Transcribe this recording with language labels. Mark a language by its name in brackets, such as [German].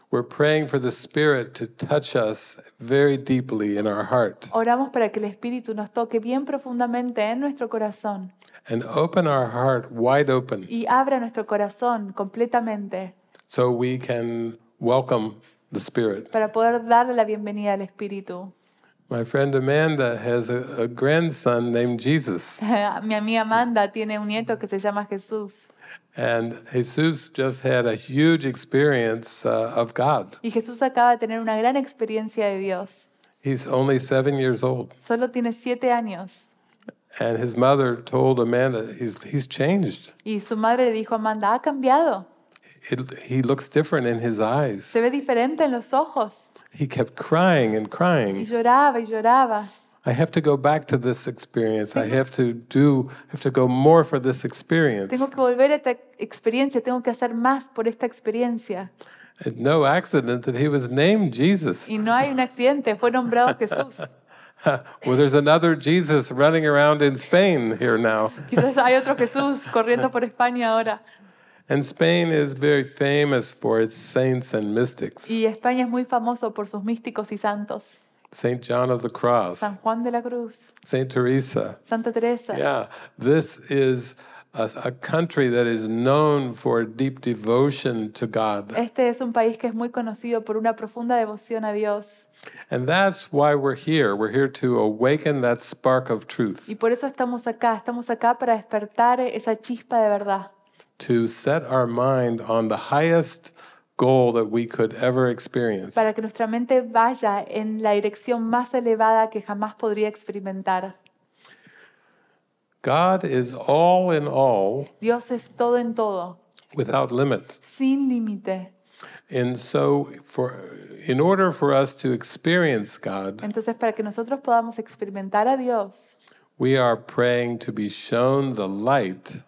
[English] We're praying for the Spirit to touch us very deeply in our heart. [Spanish] Oramos para que el Espíritu nos toque bien profundamente en nuestro corazón. [English] And open our heart wide open. [Spanish] Y abra nuestro corazón completamente. [English] So we can welcome the Spirit. [Spanish] Para poder darle la bienvenida al Espíritu. [English] My friend Amanda has a grandson named Jesus. [Spanish] Mi amiga Amanda tiene un nieto que se llama Jesús. [English] And Jesus just had a huge experience of God. [Spanish] Y Jesús acaba de tener una gran experiencia de Dios. [English] He's only 7 years old. [Spanish] Solo tiene 7 años. [English] And his mother told Amanda, he's changed. [Spanish] Y su madre le dijo a Amanda, ha cambiado. [English] He looks different in his eyes. [Spanish] Se ve diferente en los ojos. [English] He kept crying and crying. [Spanish] Y lloraba y lloraba. [English] I have to go back to this experience. I have to go more for this experience. [Spanish] Tengo que volver a esta experiencia. Tengo que hacer más por esta experiencia. [English] And no accident that he was named Jesus. [Spanish] Y no hay un accidente. Fue nombrado Jesús. [English] Well, there's another Jesus running around in Spain here now. [Spanish] Quizás hay otro Jesús corriendo por España ahora. [English] And Spain is very famous for its saints and mystics. [Spanish] Y España es muy famoso por sus místicos y santos. [English] Saint John of the Cross. [Spanish] San Juan de la Cruz. [English] Saint Teresa. [Spanish] Santa Teresa. [English] Yeah, this is a country that is known for deep devotion to God. [Spanish] Este es un país que es muy conocido por una profunda devoción a Dios. [English] And that's why we're here. We're here to awaken that spark of truth. [Spanish] Y por eso estamos acá. Estamos acá para despertar esa chispa de verdad. [English] To set our mind on the highest goal that we could ever experience. [Spanish] Para que nuestra mente vaya en la dirección más elevada que jamás podría experimentar. [English] God is all in all. [Spanish] Dios es todo en todo. [English] Without limit. [Spanish] Sin límite. [English] And so in order for us to experience God. [Spanish] Entonces para que nosotros podamos experimentar a Dios. [English] We are praying to be shown the light.